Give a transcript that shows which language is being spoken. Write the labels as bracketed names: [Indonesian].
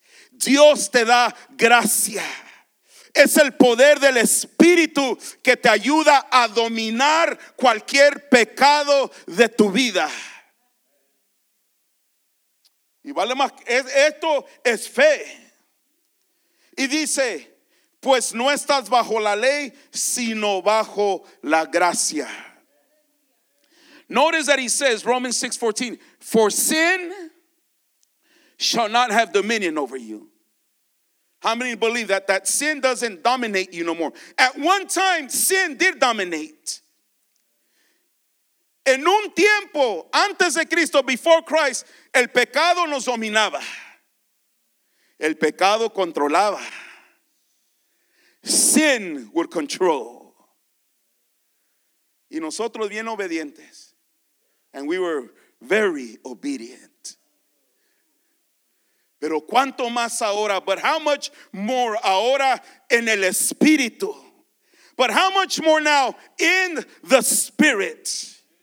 [Spanish] Dios te da gracia. Es el poder del Espíritu que te ayuda a dominar cualquier pecado de tu vida. Y vale más, esto es fe. Y dice, pues no estás bajo la ley, sino bajo la gracia. [English] Notice that he says, Romans 6:14, for sin shall not have dominion over you. How many believe that sin doesn't dominate you no more? At one time, sin did dominate. [Spanish] En un tiempo, antes de Cristo, [English] before Christ, [Spanish] el pecado nos dominaba. El pecado controlaba. [English] Sin would control. [Spanish] Y nosotros bien obedientes. [English] And we were very obedient. [Spanish] Pero cuánto más ahora, [English] but how much more [Spanish] ahora en el Espíritu. [English] But how much more now in the Spirit.